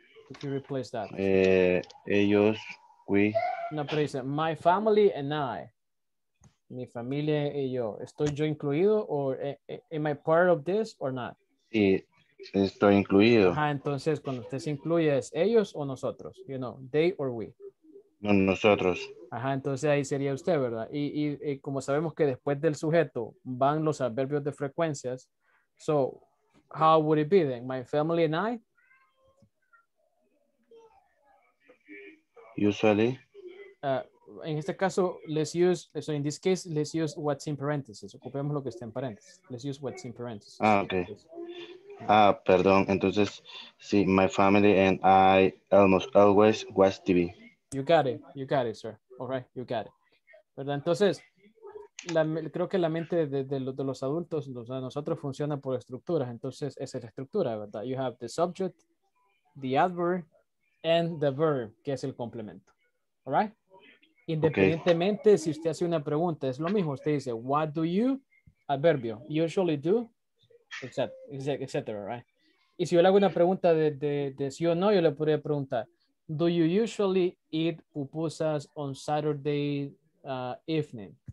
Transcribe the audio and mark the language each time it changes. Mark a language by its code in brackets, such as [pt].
[en] If you replace that. [es] Ellos, we. No, pero dice, [en] my family and I. [es] Mi familia y yo. ¿Estoy yo incluido? [en] Or am I part of this or not? [es] Sí, estoy incluido. Ajá, entonces, cuando usted se incluye, ¿es ellos o nosotros? [en] You know, they or we. [es] No, nosotros. Ajá, entonces ahí sería usted, ¿verdad? Y como sabemos que después del sujeto van los adverbios de frecuencias, [en] so, how would it be then? My family and I? Usually. [es] En este caso, [en] let's use, so in this case, let's use what's in parentheses. [es] Ocupemos lo que está en paréntesis. [en] Let's use what's in parentheses. [es] Ah, okay. Ah, perdón. Entonces, sí, [en] my family and I almost always watch TV. You got it. You got it, sir. All right. You got it. ¿Verdad? [es] Entonces, creo que la mente de los adultos, los, nosotros funciona por estructuras. Entonces, esa es la estructura, ¿verdad? [en] You have the subject, the adverb, and the verb, [es] que es el complemento. [en] All right? [es] Independientemente, okay. Si usted hace una pregunta, es lo mismo. Usted dice, [en] what do you, adverbio, usually do, etc. [es] Right? Y si yo le hago una pregunta de sí o no, yo le podría preguntar, [en] do you usually eat pupusas on Saturday evening?